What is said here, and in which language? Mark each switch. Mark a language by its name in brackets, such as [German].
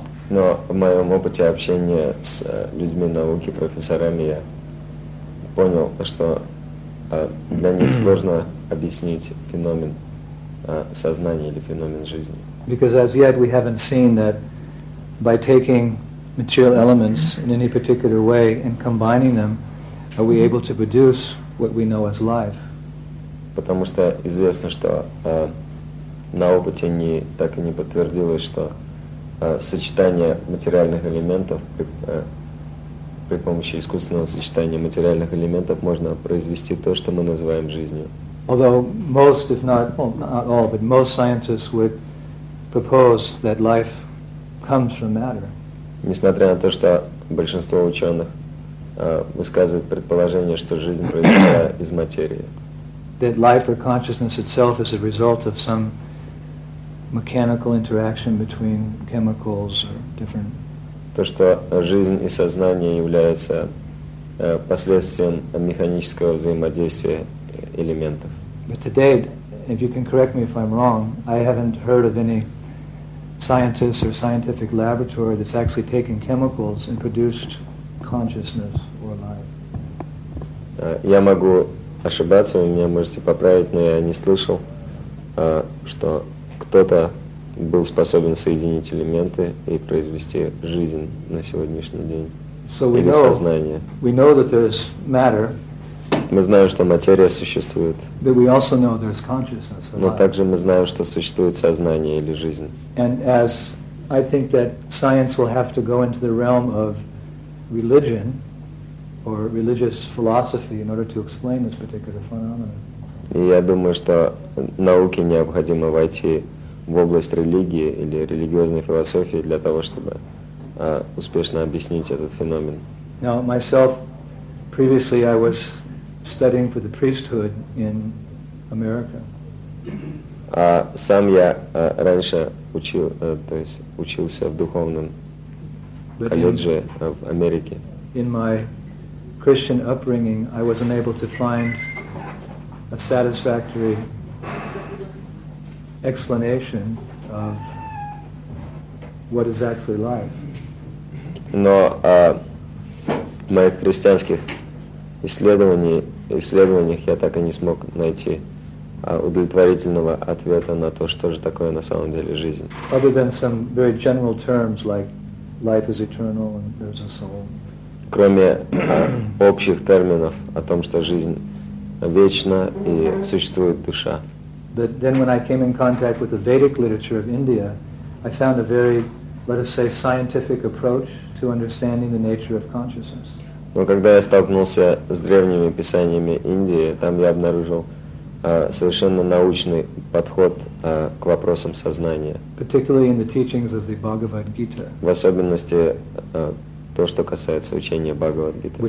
[Russian] Но в моем опыте общения с людьми науки, профессорами, я понял, что для них сложно объяснить феномен сознания или феномен жизни. [English] Because as yet we haven't seen that by taking material elements in any particular way and combining them, are we able to produce what we know as life? [Russian] Потому что известно, что на опыте не так и не подтвердилось, что сочетание материальных элементов при помощи искусственного сочетания материальных элементов можно произвести то, что мы называем жизнью. [English] Although most, if not, well, not all, but most scientists would propose that life comes from matter. [Russian] Несмотря на то, что большинство ученых высказывает предположение, что жизнь произошла из материи. [English] That life or consciousness itself is a result of some mechanical interaction between chemicals or different... [Russian] То, что жизнь и сознание являются последствием механического взаимодействия элементов. [English] But to date, if you can correct me if I'm wrong, I haven't heard of any scientists or scientific laboratory that's actually taken chemicals and produced consciousness or life. [Russian] Я могу ошибаться, вы меня можете поправить, но я не слышал, что кто-то был способен соединить элементы и произвести жизнь на сегодняшний день. [English] So we know, [Russian] сознание. [English] We know that there's matter. [Russian] Мы знаем, что материя существует. [English] But we also know there's consciousness. [Russian] Но также мы знаем, что существует сознание или жизнь. [English] And as I think that science will have to go into the realm of religion or religious philosophy in order to explain this particular phenomenon. [Russian] И я думаю, что науке необходимо войти в область религии или религиозной философии для того, чтобы успешно объяснить этот феномен. [English] Now, myself, previously I was studying for the priesthood in America. [Russian] А сам я раньше учил, то есть учился в духовном колледже в Америке. [English] In my Christian upbringing, I was unable to find a satisfactory explanation of what is actually life. [Russian] Но в моих христианских исследованиях я так и не смог найти удовлетворительного ответа на то, что же такое на самом деле жизнь. [English] Other than some very general terms like life is eternal and there's a soul. [Russian] Кроме общих терминов о том, что жизнь вечна и существует душа. [English] But then when I came in contact with the Vedic literature of India, I found a very, let us say, scientific approach to understanding the nature of consciousness. [Russian] Но когда я столкнулся с древними писаниями Индии, там я обнаружил совершенно научный подход к вопросам сознания. [English] Particularly in the teachings of the Bhagavad Gita. [Russian] В особенности то, что касается учения Бхагавад-гиты.